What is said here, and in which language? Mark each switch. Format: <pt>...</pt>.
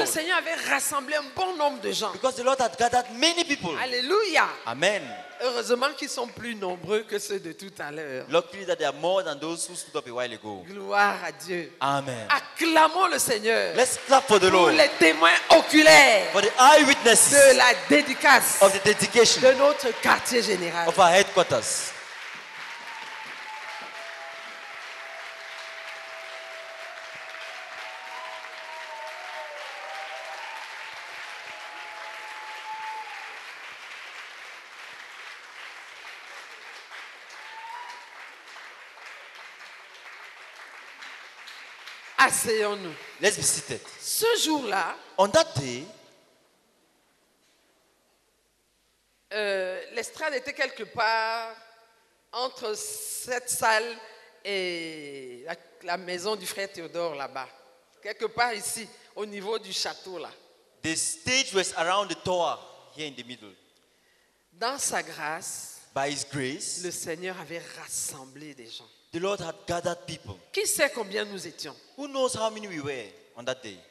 <fr>Parce que le Seigneur avait rassemblé un bon nombre de gens.</fr> <en>Because the Lord had gathered many people.</en> <fr>Alléluia.</fr> <en>Amen.</en> <fr>Heureusement qu'ils sont plus nombreux que ceux de tout à l'heure.</fr> <en>Luckily that they are more than those who stood up a while ago.</en> <fr>Gloire à Dieu.</fr> <en>Amen.</en> <fr>Acclamons le Seigneur.</fr> <en>Let's clap for the Lord.</en> <fr>Pour les témoins oculaires.</fr> <en>For the eyewitnesses.</en> <fr>De la dédicace.</fr> <en>Of the dedication.</en> <fr>De notre quartier général.</fr> <en>Of our headquarters.</en> <fr>Asseyons-nous.</fr> <en>Let's be seated.</en> <fr>Ce jour-là, on datait. L'estrade était quelque part entre cette salle et la maison du frère Théodore là-bas. Quelque part ici, au niveau du château là.</fr> <en>The stage was around the tower here in the middle.</en> <fr>Dans sa grâce,</fr> <en>by his grace,</en> <fr>le Seigneur avait rassemblé des gens.</fr> <en>The Lord had gathered people.</en> <fr>Qui sait combien nous étions?</fr> <en>Who knows how many we were on that day?</en>